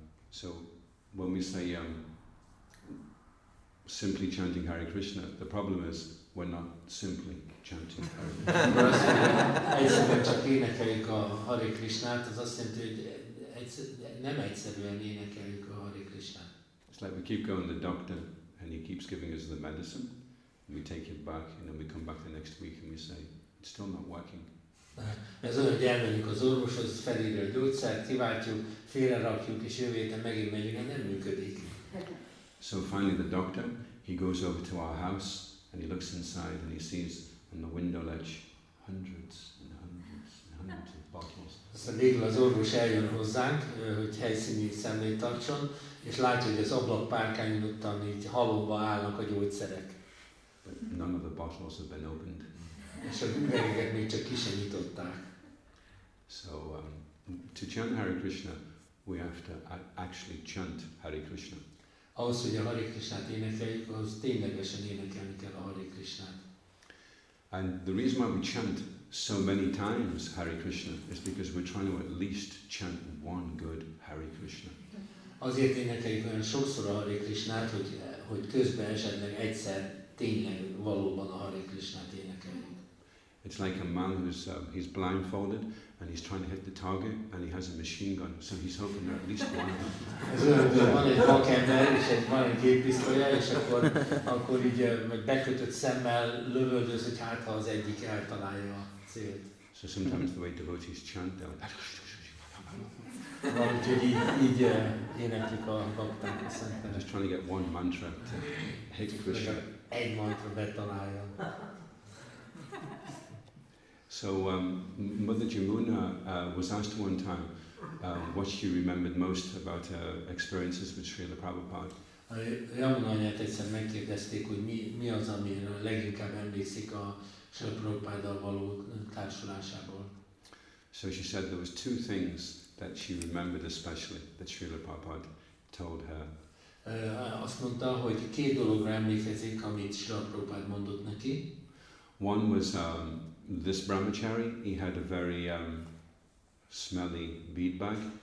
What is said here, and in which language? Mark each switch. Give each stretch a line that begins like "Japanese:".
English: So when we say simply chanting Hare Krishna, the problem is we're not simply chanting Hare Krishna.
Hungarian: Egyszerűen csak énekeljük a Hare Krishnát, az azt jelenti, hogy nem egyszerűen énekeljük a Hare Krishnát.
English: It's like we keep going to the doctor and he keeps giving us the medicine. We take it back and then we come back the next week and we say, it's still not working.
Hungarian: Ez olyan, hogy elmegyünk az orvoshoz, felírja a gyógyszert, kiváltjuk, félrerakjuk, és jövő héten megint megyünk, nem működik.
English: So finally the doctor, he goes over to our house, and he looks inside, and he sees on the window ledge hundreds and hundreds and hundreds of bottles.
Hungarian: Aztán végül az orvos eljön hozzánk, hogy helyszíni szemlét tartson, és látja, hogy az ablakpárkányon ottan így halomba állnak a gyógyszerek.
English: But none of the bottles have been opened.
Hungarian: És a üvegeket még csak ki sem nyitották.
English: So, to chant Hare Krishna, we have to actually chant Hare Krishna.
Hungarian: Ahhoz, hogy a Hare Krishnát énekeljük, ahhoz ténylegesen énekelni kell a Hare Krishnát.
English: And the reason why we chant so many times Hare Krishna is because we're trying to at least chant one good Hare Krishna.
Hungarian: Azért énekeljük olyan sokszor a Hare Krishnát, hogy, közben esetleg egyszer tényleg valóban a Hare Krishnát énekeljük.
English: It's like a man who's he's blindfolded and he's trying to hit the target and he has a machine gun, so he's hoping that at least one.
Hungarian: Ez van egy vakember és egy van egy géppisztolya, és akkor így bekötött szemmel lövöldöz, hogy hát ha az egyik eltalálja a célt.
English: So sometimes the way devotees chant, they're like,
Hungarian: így énekeljük a bhakták a szentet.
English: Just trying to get one mantra to hit Krishna.
Hungarian: Egy mantra betalálja.
English: So Mother Jamuna was asked one time what she remembered most about her experiences with Srila Prabhupada.
Hungarian: Jamuna anyát egyszer megkérdezték, hogy mi az, amire leginkább emlékszik a Srila Prabhupáddal való társulásából.
English: So she said there was two things that she remembered especially that Srila Prabhupada told her.
Hungarian: Azt mondta, hogy két dologra emlékezik, amit Srila Prabhupada mondott neki.
English: One was this brahmachari, he had a very smelly bead bag.